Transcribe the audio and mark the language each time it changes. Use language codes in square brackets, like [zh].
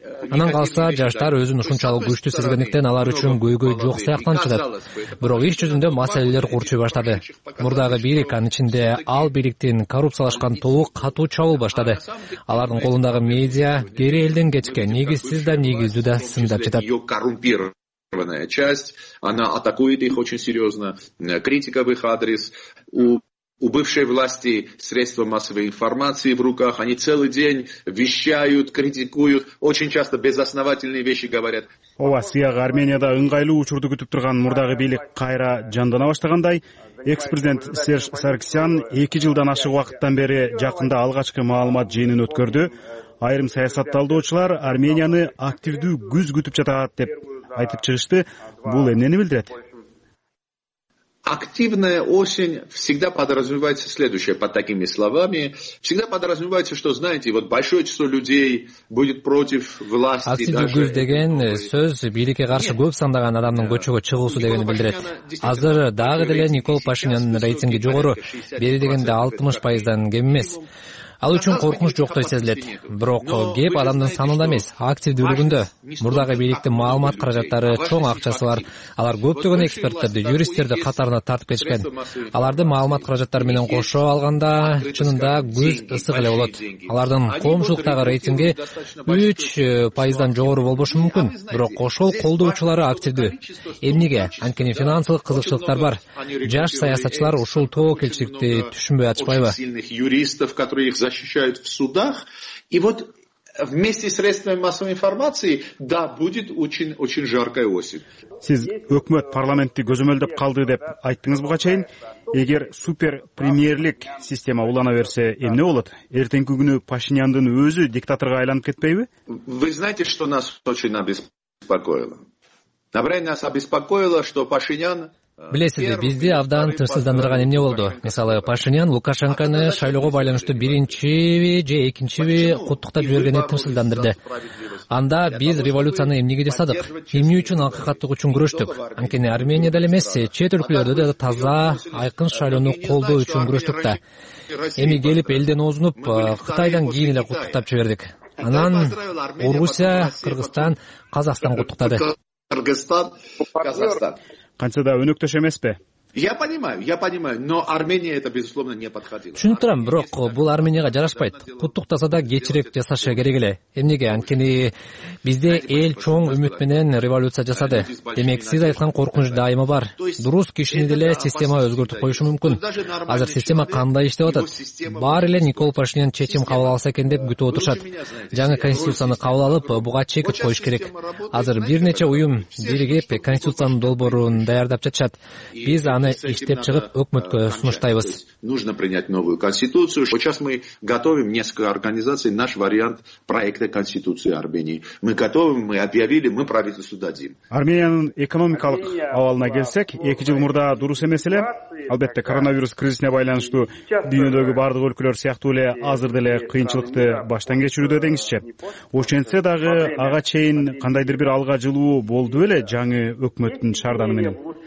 [ky] Анан калса, жаштар өзүн ушунчалык күчтүү сезгендиктен алар үчүн көйгөй жок сыяктан чыгат. Бирок иш жүзүндө маселелер курчуй баштады. Мурдагы бийлик, анын ичинде ал бийликтин коррупциялашкан тобу катуу чабуул баштады. Алардын колундагы медиа кээ элден кечкен, негизсиз да негиздүү да сындап жатат. [ru] Коррумпированная часть, она атакует их очень серьезно, критика в их адрес. У бывшей власти средства массовой информации в руках, они целый день вещают, критикуют, очень часто безосновательные вещи говорят. [ky] Ова, сияга Арменияда ыңгайлуу учурду күтүп турган мурдагы бийлик кайра жандана баштагандай, экс-президент Серж Саргсян 2 жылдан ашык убакыттан бери жакында алгачкы маалымат жыйынын өткөрдү. Айрым саясат талдоочулар Арменияны активдүү күз күтүп жатат деп айтып чыгышты. Бул эмнени билдирет? [ru] Активная осень всегда подразумевается следующее под такими словами. Всегда подразумевается, что, знаете, вот большое число людей будет против власти. [ky] Активдүү күз деген сөз бийликке каршы көп сандаган адамдын көчөгө чыгуусу дегени билдирет. Азыр дагы деле Никол Пашинянын рейтинги жогору, бери дегенде 60%дан кем эмес. Ал үчүн коркунуч жоктой сезилет. Бирок кеп адамдын санында эмес, активдүүлүгүндө. Мурдагы бийликтин маалымат каражаттары, чоң акчасы бар. Алар көптөгөн эксперттерди, юристтерди катарына тартып кетишкен. Аларды маалымат каражаттары менен кошо алганда, чынында күз ысык эле болот. Алардын коомчулуктагы рейтинги 3%дан жогору болбошу мүмкүн. Бирок ошол колдоочулары активдүү. Эмнеге? Анткени финансылык кызыкчылыктар бар. Жаш саясатчылар ушул тобокелчиликти түшүнбөй ачпайбы? [ru] Защищают в судах, и вот вместе с средствами массовой информации, да, будет очень-очень жаркая осень. [ky] Сиз өкмөт парламентти көзөмөлдөп калды деп айттыңыз буга чейин. Эгер супер-премьерлик система улана берсе, эмне болот? Эртеңки күнү Пашиняндын өзү диктаторго айланып кетпейби? [ru] Вы знаете, что нас очень обеспокоило? Наверное, нас обеспокоило, что Пашинян [ky] Билесизби, бизди абдан тырсыздандырган эмне болду? Мисалы, Пашинян Лукашенконы шайлоого байланыштуу биринчиби же экинчиби куттуктап жибергенин тырсыздандырды. Анда биз революцияны эмнеге жасадык? Эмне үчүн акыйкаттык үчүн күрөштүк? Анткени Армения деле эмес, чет өлкөлөрдө да таза, айкын шайлоону колдоо үчүн күрөштүк да. Эми келип элден озунуп, Кытайдан кийин эле куттуктап жибердик. Анан Орусия, Кыргызстан, Казакстан куттуктады. Кыргызстан, Казакстан. Кантсе да өнөктөш эмеспи? [ru] Я понимаю, но Армения это безусловно не подходило. [ky] Түшүнүп турам, бирок бул Арменияга жарашпайт. Куттуктаса да кечирек жасаш керек эле. Эмнеге? Анткени бизде эл чоң үмүт менен революция жасады. Демек сиз айткан коркунуч дайыма бар. Дурус кишини деле система өзгөртүп коюшу мүмкүн. Азыр система кандай иштеп атат? Баары эле Никол Пашинян чечим кабыл алса экен деп күтүп отурушат. Жаңы конституцияны кабыл алып, буга чек коюш керек. Азыр бир нече уюм биригип конституциянын долбоорун даярдап жатышат. Биз аны иштеп чыгып өкмөткө сунуштайбыз. [ru] Нужно принять новую конституцию. Сейчас мы готовим несколько организаций наш вариант проекта конституции Армении. Мы готовим, мы объявили, мы правительству дадим. [ky] Армениянын экономикалык абалына келсек, 2 жыл мурда дурус эмес эле. Албетте, коронавирус кризисине байланыштуу дүйнөдөгү бардык өлкөлөр сыяктуу эле азыр деле кыйынчылыкты баштан кечирүүдө деңизчи. Ошентсе дагы ага чейин кандайдыр бир алга жылуу болду беле жаңы өкмөттүн шаарданы менен?